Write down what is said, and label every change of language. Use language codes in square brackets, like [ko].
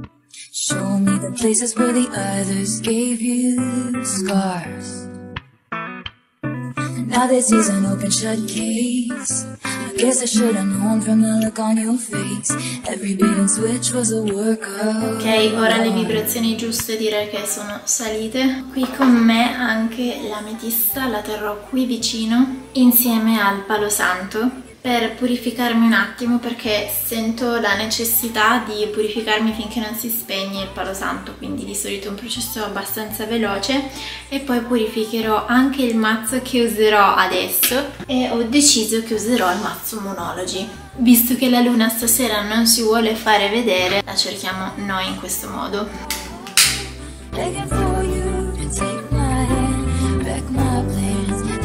[en] Show me the places where the others gave you scars. Now this is an open shut case. I guess I should have known from the look on your face. Every bit and switch was a work of. [it] Ok, ora le vibrazioni giuste direi che sono salite. Qui con me anche l'ametista, la terrò qui vicino, insieme al palo santo, per purificarmi un attimo, perché sento la necessità di purificarmi finché non si spegne il palo santo, quindi di solito è un processo abbastanza veloce. E poi purificherò anche il mazzo che userò adesso, e ho deciso che userò il mazzo Moonology. Visto che la luna stasera non si vuole fare vedere, la cerchiamo noi in questo modo. [en] Begging for you to take my hand, back my plans,